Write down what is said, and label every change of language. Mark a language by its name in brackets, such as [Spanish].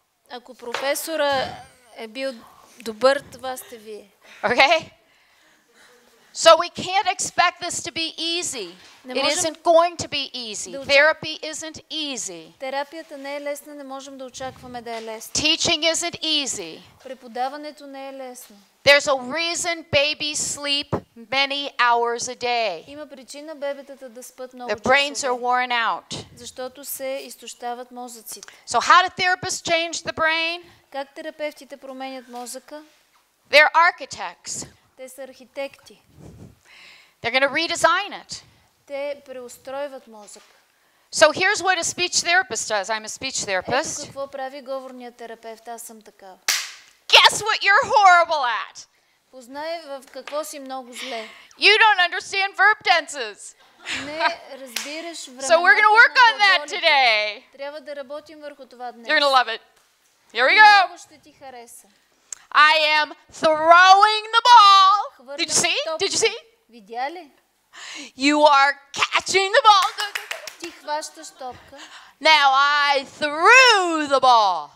[Bulgarian] Ако професора е бил добър, това сте вие. [English] Okay? So we can't expect this to be easy. It isn't going to be easy. Therapy isn't easy. [Bulgarian] Терапията не е лесна, не можем да очакваме да е лесна. [English] Teaching isn't easy. [Bulgarian] Преподаването не е лесно. [English] There's a reason babies sleep many hours a day. [Bulgarian] Има причина бебетата да спят много. [English] The brains are worn out. [Bulgarian] Защото се изтощават мозъците. [English] So how do therapists change the brain? [Bulgarian] Как терапевтите променят мозъка? [English] They're architects. [Bulgarian] Те са архитекти. [English] They're going to redesign it. [Bulgarian] Те преустройват мозък. [English] So here's what a speech therapist does. I'm a speech therapist. [Bulgarian] Ето какво прави говорният терапевт. Аз съм такава. [English] Guess what you're horrible at. [Bulgarian] Познай в какво си много зле. [English] You don't understand verb tenses. [Bulgarian] Не разбираш времето. [English] So we're going to work on that today. [Bulgarian] Трябва да работим върху това днес. [English] You're going to love it. Here we go. [Bulgarian] Много ще ти хареса. [English] I am throwing the ball. Did you see? Did you see? [Bulgarian] Видя ли? [English] You are catching the ball. [Bulgarian] Ти хващаш топка. [English] Now I threw the ball.